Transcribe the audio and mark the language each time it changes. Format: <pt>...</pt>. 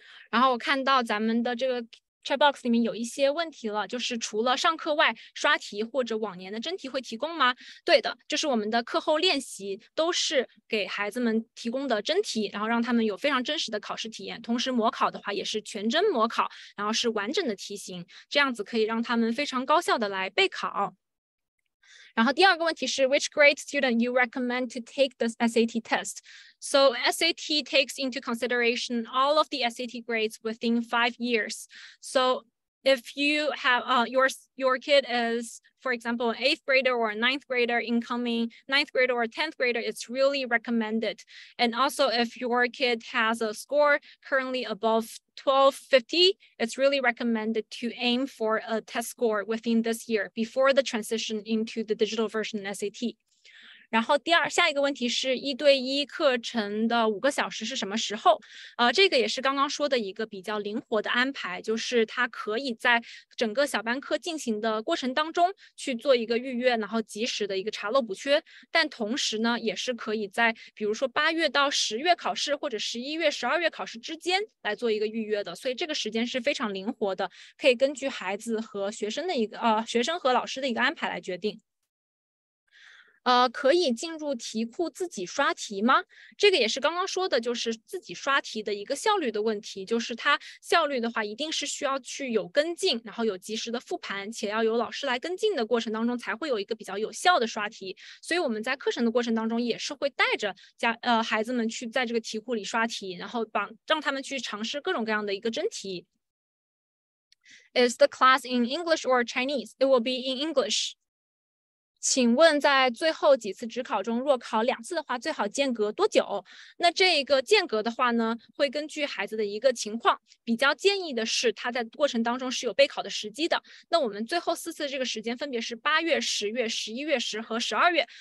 <zh>然后我看到咱们的这个chat box 里面有一些问题了，就是除了上课外，刷题或者往年的真题会提供吗？对的，就是我们的课后练习都是给孩子们提供的真题，然后让他们有非常真实的考试体验。同时模考的话也是全真模考，然后是完整的题型，这样子可以让他们非常高效的来备考。然后第二个问题是</zh> <en>，Which grade student you recommend to take the SAT test？ So SAT takes into consideration all of the SAT grades within 5 years. So if you have your kid is, for example, an 8th grader or a 9th grader, incoming 9th grader or 10th grader, it's really recommended. And also if your kid has a score currently above 1250, it's really recommended to aim for a test score within this year before the transition into the digital version SAT.</en> <zh>然后下一个问题是一对一课程的5个小时是什么时候？这个也是刚刚说的一个比较灵活的安排，就是它可以在整个小班课进行的过程当中去做一个预约，然后及时的一个查漏补缺。但同时呢，也是可以在比如说8月到10月考试或者11月、12月考试之间来做一个预约的。所以这个时间是非常灵活的，可以根据孩子和学生的一个学生和老师的一个安排来决定。可以进入题库自己刷题吗？这个也是刚刚说的，就是自己刷题的一个效率的问题，就是它效率的话，一定是需要去有跟进，然后有及时的复盘，且要有老师来跟进的过程当中，才会有一个比较有效的刷题。所以我们在课程的过程当中，也是会带着孩子们去在这个题库里刷题，然后让他们去尝试各种各样的一个真题。</zh> <en>Is the class in English or Chinese? It will be in English.</en> <zh>请问在最后几次指考中，若考2次的话，最好间隔多久？那这个间隔的话呢，会根据孩子的一个情况，比较建议的是他在过程当中是有备考的时机的。那我们最后4次这个时间分别是8月、10月、11月、10和12月。</zh>